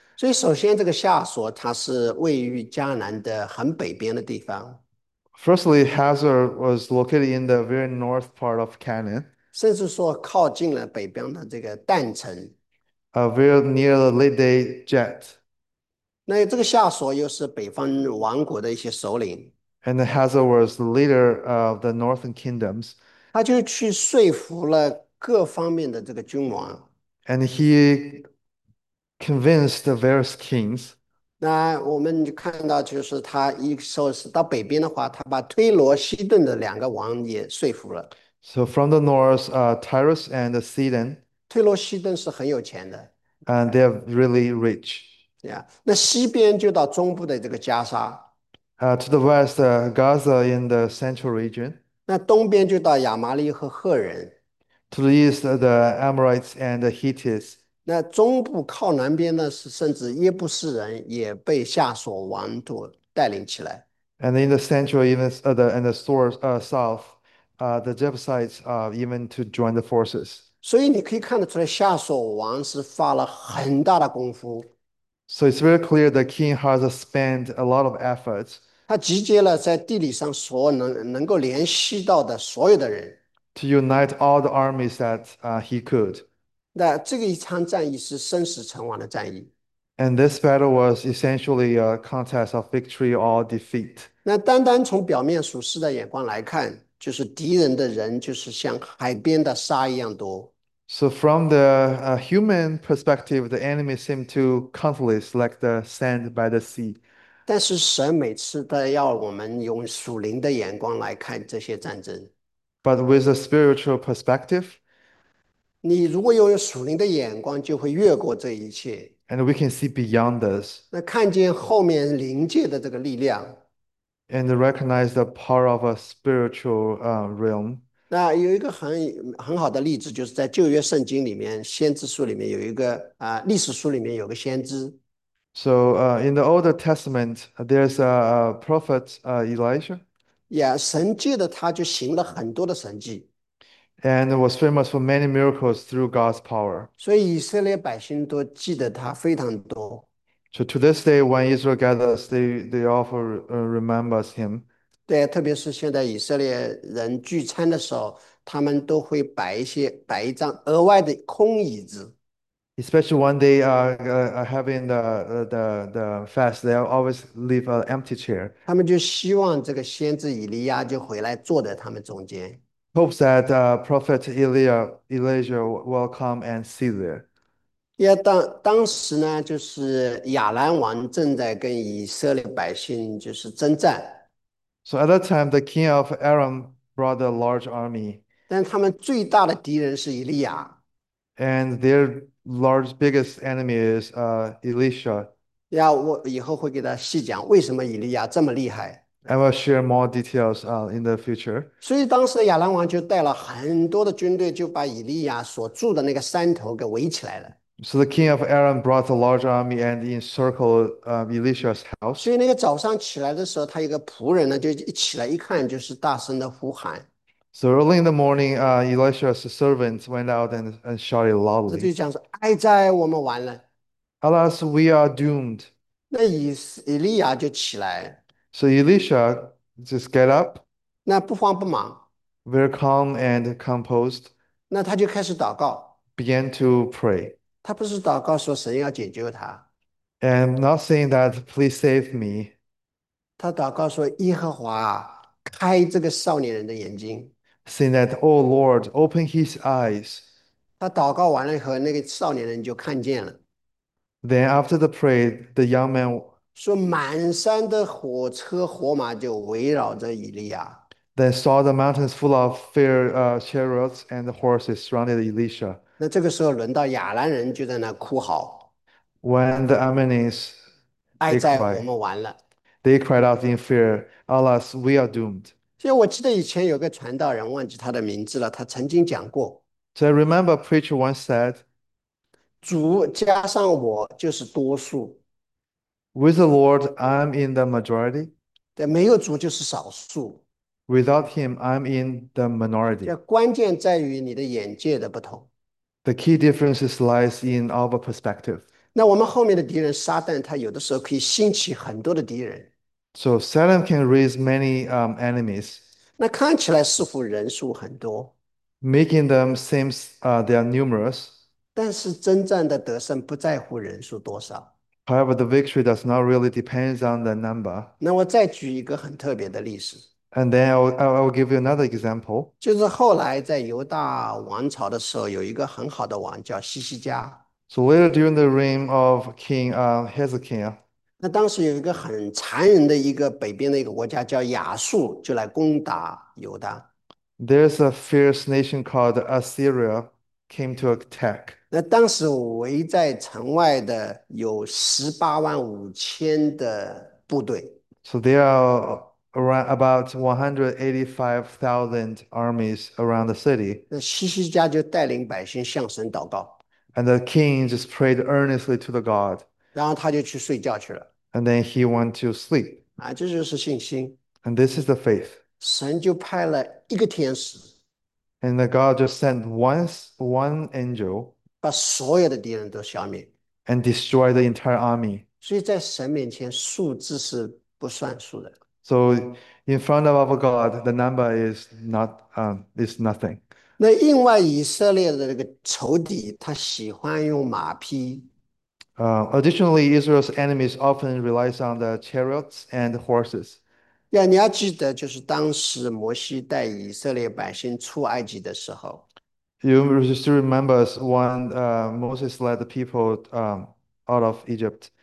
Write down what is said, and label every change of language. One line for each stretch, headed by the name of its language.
Chinese: 所以，首先这个夏所它是位于迦南的很北边的地方，
English: Firstly, Hazor was located in the very north part of Canaan,
Chinese: 甚至说靠近了北边的这个但城。
English: very near the Lehi Jet.
Chinese: 那这个夏所又是北方王国的一些首领，
English: And Hazael was the leader of the northern kingdoms.
Chinese: 他就去说服了各方面的这个君王。
English: And he convinced the various kings.
Chinese: 那我们就看到，就是他一说是到北边的话，他把推罗、西顿的两个王也说服了。
English: So from the north, Tyrus and Sidon,
Chinese: 推罗、西顿是很有钱的，
English: and they're really rich.
Chinese: 那西边就到中部的这个加沙，
English: To the west, Gaza in the central region.
Chinese: 那东边就到亚麻利和赫人，
English: To the east, the Amorites and the Hittites.
Chinese: 那中部靠南边呢是甚至耶布斯人也被夏所王都带领起来。
English: And in the central, even and the source, south, the Jebusites even to join the forces.
Chinese: 所以你可以看得出来，夏所王是花了很大的功夫。
English: So it's very clear that King has spent a lot of efforts
Chinese: 他集结了在地理上所能够联系到的所有的人。
English: to unite all the armies that he could.
Chinese: 那这个一场战役是生死存亡的战役。
English: And this battle was essentially a contest of victory or defeat.
Chinese: 那单单从表面属实的眼光来看，就是敌人的人就是像海边的沙一样多。
English: So from the human perspective, the enemy seemed too countless, like the sand by the sea.
Chinese: 但是神每次都要我们用属灵的眼光来看这些战争。
English: But with a spiritual perspective,
Chinese: 你如果要用属灵的眼光，就会越过这一切，
English: and we can see beyond this,
Chinese: 那看见后面灵界的这个力量。
English: and recognize the power of a spiritual realm.
Chinese: 那有一个很好的例子，就是在旧约圣经里面，先知书里面有一个历史书里面有个先知。
English: So, in the Old Testament, there's a prophet, Elijah,
Chinese: 神借着他就行了很多的神迹，
English: and was famous for many miracles through God's power.
Chinese: 所以以色列百姓都记得他非常多。
English: So to this day, when Israel gathers, they often remembers him.
Chinese: 对，特别是现在以色列人聚餐的时候，他们都会摆一张额外的空椅子。
English: Especially when they are having the fast, they always leave an empty chair.
Chinese: 他们就希望这个先知以利亚就回来坐在他们中间。
English: Hopes that Prophet Elijah will come and see there.
Chinese: 当时呢，就是亚兰王正在跟以色列百姓就是征战，
English: So at that time, the king of Aram brought a large army.
Chinese: 但他们最大的敌人是以利亚。
English: And their biggest enemy is Elisha.
Chinese: 我以后会给他细讲为什么以利亚这么厉害。
English: I will share more details in the future.
Chinese: 所以当时的亚兰王就带了很多的军队，就把以利亚所住的那个山头给围起来了。
English: So the king of Aram brought a large army and encircled Elisha's
Chinese: 所
English: house.
Chinese: 以那个早上起来的时候，他一个仆人呢就一起来一看，就是大声的呼喊。
English: So early in the morning, Elisha's servants went out and shouted
Chinese: 他就
English: loudly.
Chinese: 讲说：“哀哉，我们完了。”
English: Alas, we are doomed.
Chinese: 那以利亚就起来，
English: So Elisha, just get up,
Chinese: 那不慌不忙，
English: very calm and composed,
Chinese: 那他就开始祷告。
English: began to pray.
Chinese: 他不是祷告说神要解救他，
English: And not saying that, please save me.
Chinese: 他祷告说：“耶和华啊，开这个少年人的眼睛。
English: Saying that, oh Lord, open his eyes.
Chinese: ”他祷告完了以后，那个少年人就看见了。
English: Then after the prayer, the young man,
Chinese: 说满山的火车火马就围绕着以利亚，
English: then saw the mountains full of fair chariots and horses surrounded Elisha.
Chinese: 那这个时候轮到亚兰人就在那哭嚎，
English: When the Ammonites,
Chinese: 哀哉，我们完了。
English: they cried out in fear, Alas, we are doomed.
Chinese: 其实我记得以前有个传道人，忘记他的名字了，他曾经讲过，
English: So I remember a preacher once said,
Chinese: 主加上我就是多数。
English: With the Lord, I'm in the majority.
Chinese: 对，没有主就是少数。
English: Without him, I'm in the minority.
Chinese: 这关键在于你的眼界的不同。
English: The key difference lies in our perspective.
Chinese: 那我们后面的敌人撒旦，他有的时候可以兴起很多的敌人。
English: So Satan can raise many enemies,
Chinese: 那看起来似乎人数很多，
English: making them seem they are numerous.
Chinese: 但是真正的得胜不在乎人数多少。
English: However, the victory does not really depend on the number.
Chinese: 那我再举一个很特别的历史，
English: And then I will give you another example.
Chinese: 就是后来在犹大王朝的时候，有一个很好的王叫西西家。
English: So later during the reign of King Hezekiah,
Chinese: 那当时有一个很残忍的一个北边的一个国家叫亚述，就来攻打犹大。
English: there's a fierce nation called Assyria came to attack.
Chinese: 那当时围在城外的有18万5千的部队。
English: So there are around about 185,000 armies around the city.
Chinese: 那西西家就带领百姓向神祷告，
English: And the king just prayed earnestly to the God.
Chinese: 然后他就去睡觉去了。
English: And then he went to sleep.
Chinese: 啊，这就是信心。
English: And this is the faith.
Chinese: 神就派了一个天使，
English: And the God just sent one angel
Chinese: 把所有的敌人都消灭。
English: and destroyed the entire army.
Chinese: 所以在神面前，数字是不算数的。
English: So in front of our God, the number is nothing.
Chinese: 那另外以色列的那个仇敌，他喜欢用马匹。
English: Additionally, Israel's enemies often relies on the chariots and horses.
Chinese: 呀，你要记得，就是当时摩西带以色列百姓出埃及的时候，
English: You still remember when Moses led the people out of Egypt.